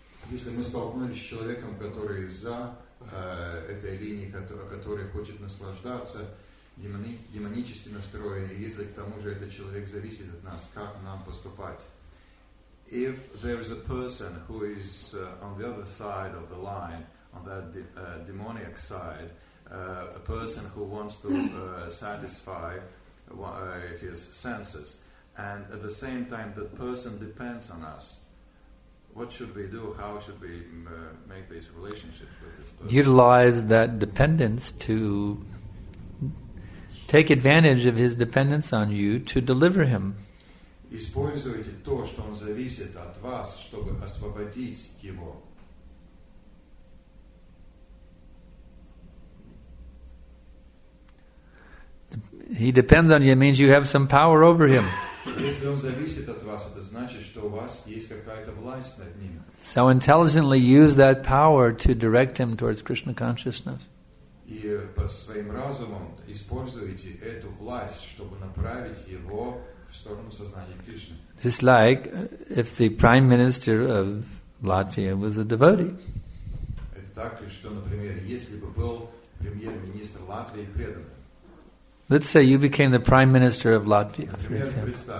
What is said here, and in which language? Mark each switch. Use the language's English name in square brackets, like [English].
[Russian] Если мы столкнулись с человеком, который за этой линией, который хочет наслаждаться демонически настроенным, если к тому же этот человек зависит от нас, как нам поступать? [English] If there is a person who is on the other side of the line, on that demoniac side, a person who wants to satisfy his senses, and at the same time that person depends on us, what should we do? How should we make this relationship with this person? Utilize that dependence to take advantage of his dependence on you to deliver him. [Russian] Используйте то, что он зависит от вас, чтобы освободить его. [English] He depends on you, it means you have some power over him. [Russian] Если он зависит от вас, это значит, что у вас есть какая-то власть над ним. [English] So intelligently use that power to direct him towards Krishna consciousness. [Russian] И по своим разумом используйте эту власть, чтобы направить его в сторону сознания Кришны. [English] Just like if the prime minister of Latvia was a devotee. [Russian] Это так, что, например, если бы был премьер-министр Латвии преданным. [English] Let's say you became the Prime Minister of Latvia, for example.